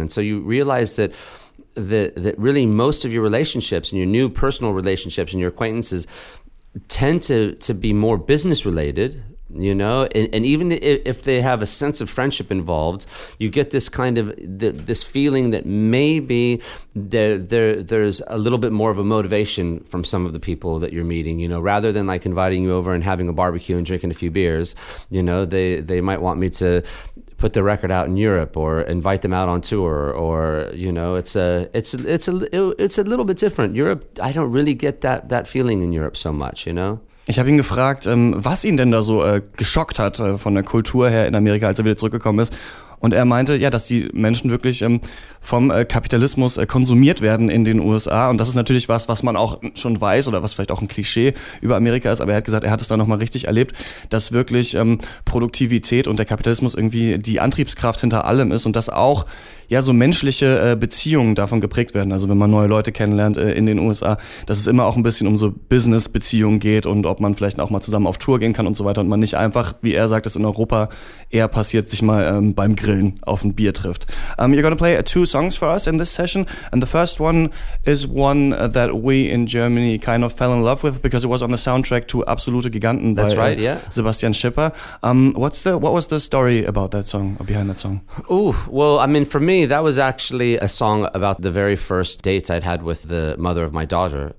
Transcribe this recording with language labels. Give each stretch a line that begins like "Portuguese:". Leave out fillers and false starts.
English: And so you realize that that really most of your relationships and your new personal relationships and your acquaintances tend to be more business-related, you know, and even if they have a sense of friendship involved, you get this kind of this feeling that maybe there's a little bit more of a motivation from some of the people that you're meeting, you know, rather than like inviting you over and having a barbecue and drinking a few beers, you know, they might want me to put their record out in Europe or invite them out on tour, or you know, it's a little bit different. Europe, I don't really get that feeling in Europe so much, you know.
German: Ich habe ihn gefragt, was ihn denn da so geschockt hat von der Kultur her in Amerika, als er wieder zurückgekommen ist. Und er meinte, ja, dass die Menschen wirklich vom Kapitalismus konsumiert werden in den USA. Und das ist natürlich was, was man auch schon weiß oder was vielleicht auch ein Klischee über Amerika ist. Aber er hat gesagt, er hat es da nochmal richtig erlebt, dass wirklich Produktivität und der Kapitalismus irgendwie die Antriebskraft hinter allem ist. Und dass auch ja so menschliche Beziehungen davon geprägt werden. Also wenn man neue Leute kennenlernt in den USA, dass es immer auch ein bisschen um so Business-Beziehungen geht und ob man vielleicht auch mal zusammen auf Tour gehen kann und so weiter. Und man nicht einfach, wie er sagt, es in Europa eher passiert, sich mal beim Grillen auf ein Bier trifft.
English: You're going to play two songs for us in this session, and the first one is one that we in Germany kind of fell in love with because it was on the soundtrack to Absolute Giganten. That's by right, yeah. Sebastian Schipper. What was the story about that song or behind that song? Oh, well, I mean, for me, that was actually a song about the very first date I'd had with the mother of my daughter.